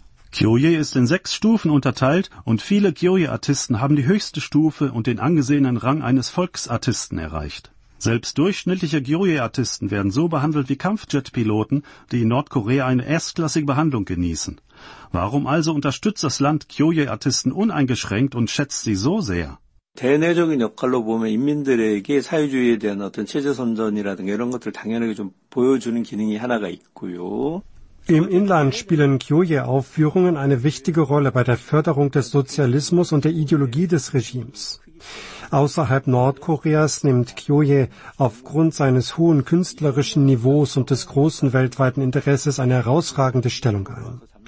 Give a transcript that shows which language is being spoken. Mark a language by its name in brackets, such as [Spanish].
[German] Gyoje ist in 6 Stufen unterteilt und viele Gyoje-Artisten haben die höchste Stufe und den angesehenen Rang eines Volksartisten erreicht. Selbst durchschnittliche Gyoje-Artisten werden so behandelt wie Kampfjet-Piloten, die in Nordkorea eine erstklassige Behandlung genießen. Warum also unterstützt das Land Gyoje-Artisten uneingeschränkt und schätzt sie so sehr? [Korean] 대내적인 역할로 보면 인민들에게 사회주의에 대한 어떤 체제 선전이라든가 이런 것들을 당연하게 좀 보여주는 기능이 하나가 있고요. [German] Im Inland spielen Kyoje-Aufführungen eine wichtige Rolle bei der Förderung des Sozialismus und der Ideologie des Regimes. Außerhalb Nordkoreas nimmt Kyoje aufgrund seines hohen künstlerischen Niveaus und des großen weltweiten Interesses eine herausragende Stellung ein.